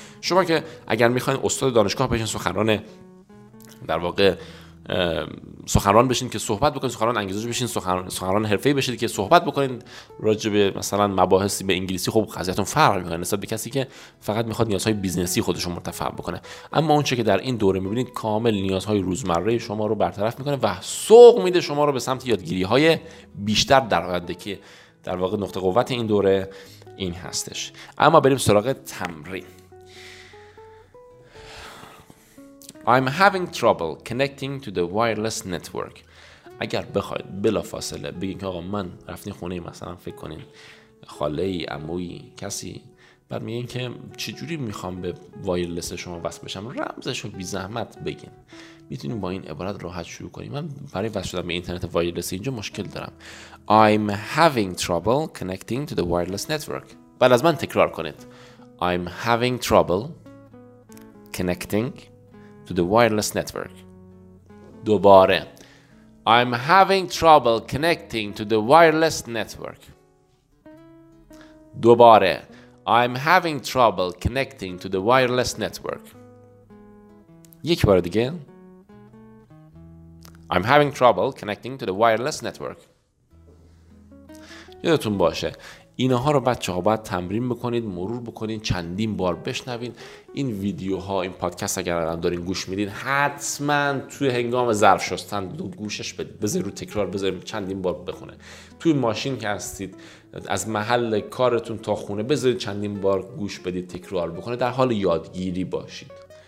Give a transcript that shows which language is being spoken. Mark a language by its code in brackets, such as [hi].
[fa] شما که اگر میخواین استاد دانشگاه بشین، سخنران در واقع سخنران بشین که صحبت بکنین، سخنران انگیزش بشین، سخنران حرفه‌ای بشید که صحبت بکنین راجع به مثلا مباحثی به انگلیسی، خب قضیهتون فرق می‌کنه نسبت به کسی که فقط می‌خواد نیازهای بیزنسی خودش رو مرتفع بکنه. اما اون چه که در این دوره می‌بینید کامل نیازهای روزمره شما رو برطرف می‌کنه و سوق میده شما رو به سمت یادگیری‌های بیشتر در آینده، که در واقع نقطه قوت این دوره این هستش. اما بریم سراغ تمرین. [en] I'm having trouble connecting to the wireless network. [fa] اگر بخواید بلافاصله بگید که آقا من رفتم خونه مثلا فکر کنین خاله ای عموی کسی، بعد میگین که چجوری میخوام به وایرلس شما وصل بشم، رمزشو بی زحمت بگین. میتونیم با این عبارت راحت شروع کنیم. من برای وصل شدن به اینترنت وایرلس اینجا مشکل دارم. [en] I'm having trouble connecting to the wireless network. [fa] بعد از من تکرار کنید. [en] I'm having trouble connecting to the wireless network. [fa] دوباره. [en] I'm having trouble connecting to the wireless network. [fa] دوباره. [en] I'm having trouble connecting to the wireless network. [fa] یک بار دیگه. [en] I'm having trouble connecting to the wireless network. [fa] یادتون باشه اینها رو بچه‌ها باید تمرین بکنید، مرور بکنید، چندین بار بشنوین. این ویدیوها، این پادکست اگر الان دارین گوش میدین، حتما توی هنگام ظرف شستن دو گوشش بدید، بذارید رو تکرار، بذارید چندین بار بخونه. توی ماشین که هستید، از محل کارتون تا خونه، بذارید چندین بار گوش بدید، تکرار بکنه، در حال یادگیری باشید.